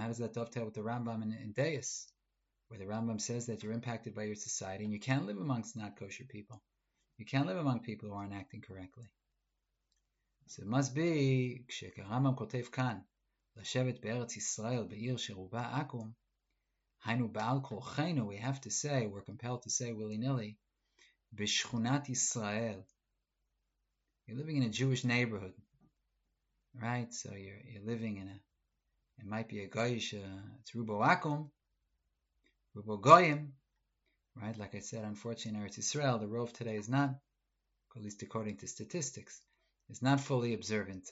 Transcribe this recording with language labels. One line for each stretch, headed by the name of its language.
English: How does that dovetail with the Rambam in Deis? Where the Rambam says that you're impacted by your society, and you can't live amongst not kosher people. You can't live among people who aren't acting correctly. So it must be,
Hebrew: כשהרמב"ם כותב כאן, לשבת בארץ ישראל בעיר שרובה עקום, היינו בעל כורחנו,
English: we have to say, we're compelled to say willy-nilly,
Hebrew: בשכונת ישראל.
English: You're living in a Jewish neighborhood, right? So you're living in a, it might be a goyish, it's
Hebrew: rubo akum, rubo goyim,
English: right? Like I said, unfortunately, in Eretz Yisrael, the rov today is not, at least according to statistics, is not fully observant.